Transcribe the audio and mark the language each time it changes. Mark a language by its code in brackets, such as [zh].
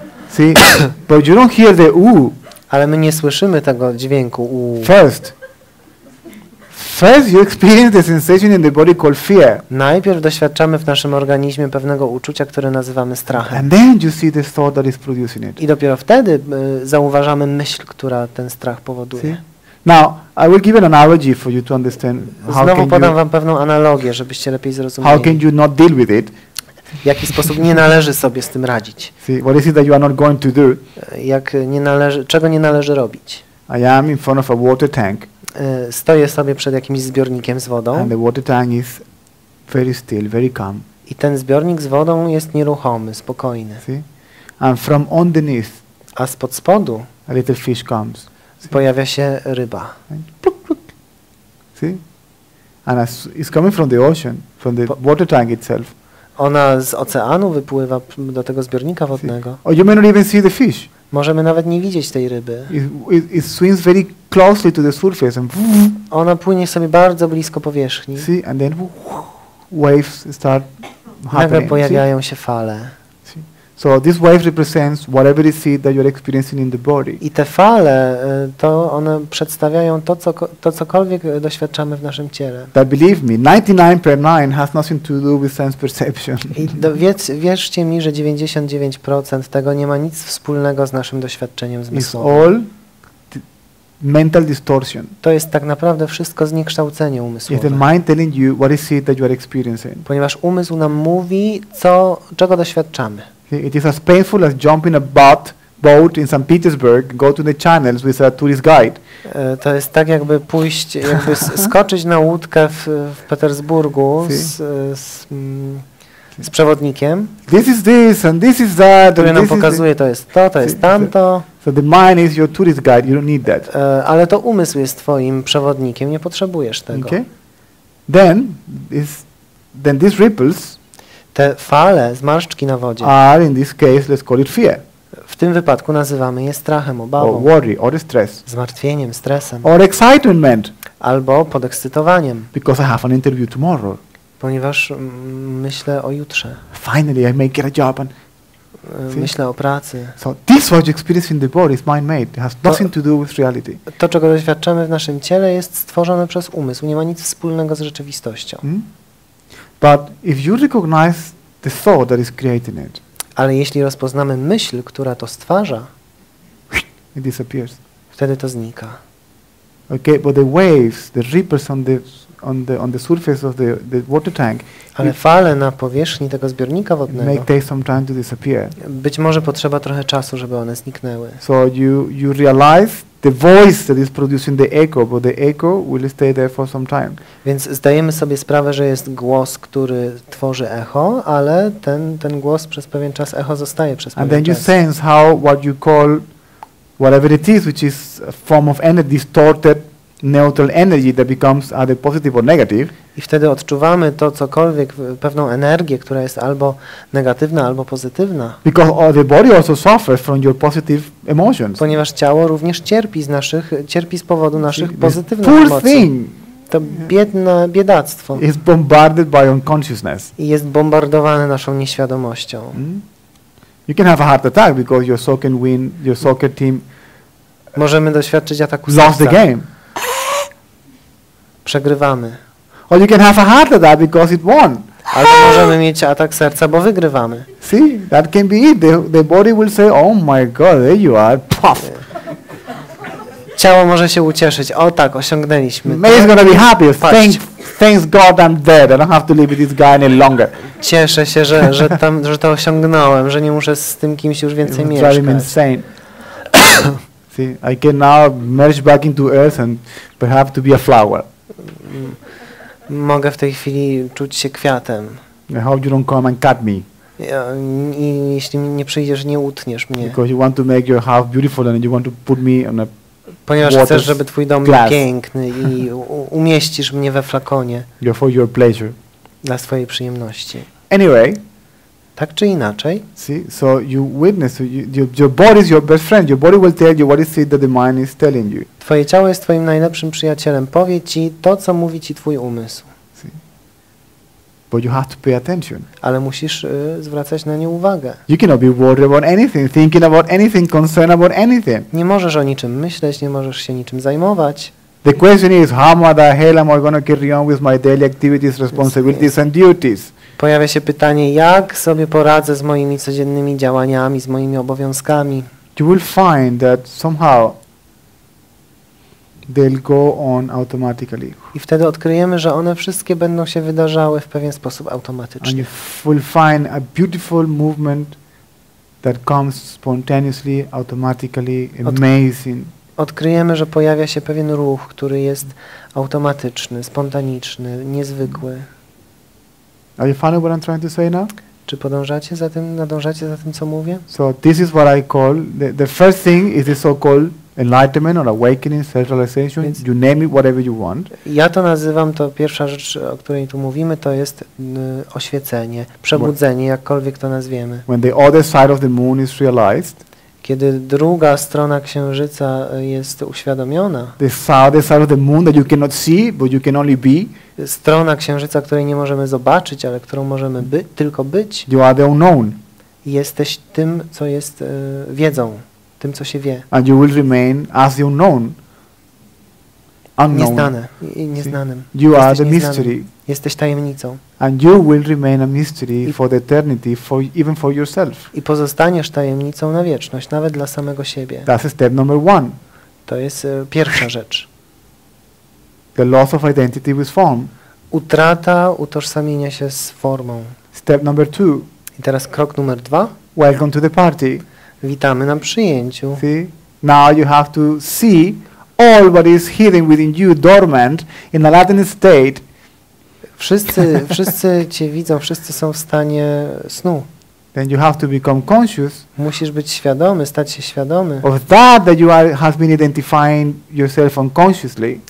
[en] See, but you don't hear the ooh. [pl] Ale my nie słyszymy tego dźwięku ooh. [en] First you experience the sensation in the body called fear. [pl] Najpierw doświadczamy w naszym organizmie pewnego uczucia, które nazywamy strachem. [en] And then you see the thought that is producing it. [pl] I dopiero wtedy zauważamy myśl, która ten strach powoduje. [en] See? Now, I will give an analogy for you to understand how [pl] Znowu [en] can [pl] podam [en] you, [pl] wam pewną analogię, żebyście lepiej zrozumieli. [en] How can you not deal with it? [pl] W jaki sposób nie należy sobie z tym radzić? [en] See, what is it that you are not going to do? [pl] Jak nie należy, czego nie należy robić? [en] I am in front of a water tank. [pl] Stoję sobie przed jakimś zbiornikiem z wodą. [en] And the water tank is very still, very calm. [pl] I ten zbiornik z wodą jest nieruchomy, spokojny. [en] See? And from underneath, [pl] a spod spodu, [en] a little fish comes. See? [pl] Pojawia się ryba. [en] See? And it's coming from the ocean, from the water tank itself. [pl] Ona z oceanu wypływa do tego zbiornika wodnego. [en] Or you may not even see the fish. [pl] Możemy nawet nie widzieć tej ryby. [en] It swims very closely to the surface and [pl] ona płynie sobie bardzo blisko powierzchni. [en] See? And then waves start happening. [pl] Nagle pojawiają się fale. [en] So this wave represents whatever you see that you're experiencing in the body. [pl] I te fale, to one przedstawiają to cokolwiek doświadczamy w naszym ciele. [en] That believe me, 99.9 has nothing to do with sense perception. [pl] I wierzcie mi, że 99% tego nie ma nic wspólnego z naszym doświadczeniem zmysłowym. [en] It's all mental distortion. [pl] To jest tak naprawdę wszystko zniekształcenie umysłowe. [en] The mind telling you what is it that you are experiencing. [pl] Ponieważ umysł nam mówi, czego doświadczamy. [en] It is as painful as jumping a boat in St. Petersburg, go to the channels with a tourist guide. [pl] To jest tak, jakby pójść, jakby skoczyć na łódkę w Petersburgu z z przewodnikiem. [en] This is this and this is that. [pl] Który nam pokazuje, to jest tamto. [en] So the mind is your tourist guide. You don't need that. [pl] Ale to umysł jest twoim przewodnikiem, nie potrzebujesz tego. [en] Okay. Then these ripples. [pl] Te fale, zmarszczki na wodzie. [en] Are in this case, let's call it fear. [pl] W tym wypadku nazywamy je strachem, obawą. [en] Or worry, or stress. [pl] Zmartwieniem, stresem. [en] Or excitement. [pl] Albo podekscytowaniem. [en] Because I have an interview tomorrow. [pl] Ponieważ myślę o jutrze. [en] Finally, I may get a job. And [pl] myślę o pracy. [en] So this what you experience in the body is mind-made. It has nothing to do with reality. [pl] To, czego doświadczamy w naszym ciele, jest stworzone przez umysł. Nie ma nic wspólnego z rzeczywistością. [en] But if you recognize the thought that is creating it. [pl] Ale jeśli rozpoznamy myśl, która to stwarza, [en] it disappears. [pl] Wtedy to znika. [en] Okay, but the waves, the ripples on the surface of the water tank. [pl] Ale fale na powierzchni tego zbiornika wodnego. [en] May take some time to disappear. [pl] Być może potrzeba trochę czasu, żeby one zniknęły. [en] So you realize the voice that is producing the echo, but the echo will stay there for some time. [pl] Więc zdajemy sobie sprawę, że jest głos, który tworzy echo, ale ten głos przez pewien czas echo zostaje przez pewien czas. [en] And then you sense how what you call whatever it is, which is a form of energy, distorted neutral energy that becomes either positive or negative. [pl] I wtedy odczuwamy to cokolwiek, pewną energię, która jest albo negatywna, albo pozytywna. [en] Because the body also suffers from your positive emotions. [pl] Ponieważ ciało również cierpi z powodu naszych pozytywnych emocji. [en] Poor thing. [pl] To biedne biedactwo. [en] Is bombarded by unconsciousness. [pl] I jest bombardowane naszą nieświadomością. [en] You can have a heart attack because your soccer win, your soccer team. [pl] Możemy doświadczyć ataku serca. [en] Lost the game. [pl] Przegrywamy. [en] Or you can have a heart attack because it won. [pl] Albo możemy mieć atak serca, bo wygrywamy. [en] See, that can be it. The body will say, "Oh my God, there you are." Puff. [pl] Ciało może się ucieszyć. O tak, osiągnęliśmy. [en] May is gonna be happy. Thanks God I'm dead. I don't have to live with this guy any longer. [pl] Cieszę się, że to osiągnąłem, że nie muszę z tym kimś już więcej mieszkać. [en] Driving me insane. See, I can now merge back into earth and perhaps to be a flower. [pl] Mogę w tej chwili czuć się kwiatem. [en] I hope you don't come and cut me. [pl] I jeśli nie przyjdziesz, nie utniesz mnie. [en] Because you want to make your house beautiful and you want to put me on a [pl] ponieważ chcesz, żeby twój dom był piękny i umieścisz mnie we flakonie. [en] For your pleasure. [pl] Dla swojej przyjemności. [en] Anyway. [pl] Tak czy inaczej. [en] See, so you witness, your body is your best friend. Your body will tell you what is it that the mind is telling you. [pl] Twoje ciało jest twoim najlepszym przyjacielem. Powie ci to, co mówi ci twój umysł. [en] But you have to pay attention. [pl] Ale musisz zwracać na nie uwagę. [en] You cannot be worried about anything, thinking about anything, concerned about anything. [pl] Nie możesz o niczym myśleć, nie możesz się niczym zajmować. [en] The question is, how the hell am I going to carry on with my daily activities, responsibilities and duties? [pl] Pojawia się pytanie, jak sobie poradzę z moimi codziennymi działaniami, z moimi obowiązkami. [en] You will find that somehow they'll go on automatically. [pl] I wtedy odkryjemy, że one wszystkie będą się wydarzały w pewien sposób automatycznie. [en] And you will find a beautiful movement that comes spontaneously, automatically, amazing. [pl] Odkryjemy, że pojawia się pewien ruch, który jest automatyczny, spontaniczny, niezwykły. [en] Are you following what I'm trying to say now? [pl] Czy podążacie za tym, nadążacie za tym, co mówię? [en] So this is what I call the first thing is the so-called enlightenment or awakening, self-realization, you name it, whatever you want. [pl] Ja to nazywam, to pierwsza rzecz, o której tu mówimy, to jest oświecenie, przebudzenie, jakkolwiek to nazwiemy. [en] When the other side of the moon is realized. [pl] Kiedy druga strona księżyca jest uświadomiona. [en] The other side of the moon that you cannot see, but you can only be. [pl] Strona księżyca, której nie możemy zobaczyć, ale którą możemy tylko być. [en] You are the unknown. [pl] Jesteś tym, co jest wiedzą. Tym, co się wie. [en] And you will remain as the unknown. Unknown. [pl] Nieznane. Nieznanym. [en] You [pl] jesteś [en] are the mystery. [pl] Jesteś tajemnicą. [en] And you will remain a mystery for the eternity, for even for yourself. [pl] I pozostaniesz tajemnicą na wieczność, nawet dla samego siebie. [en] That's step number one. [pl] To jest pierwsza rzecz. [en] The loss of identity with form. [pl] Utrata utożsamienia się z formą. [en] Step number two. [pl] I teraz krok numer dwa. [en] Welcome to the party. [pl] Witamy na przyjęciu. [en] See? Now you have to see all what is hidden within you, dormant, in a latent state. [pl] Wszyscy cię widzą, wszyscy są w stanie snu. [en] Then you have to become conscious. [pl] Musisz być świadomy, stać się świadomy. [en] Of that you are, have been identifying yourself unconsciously.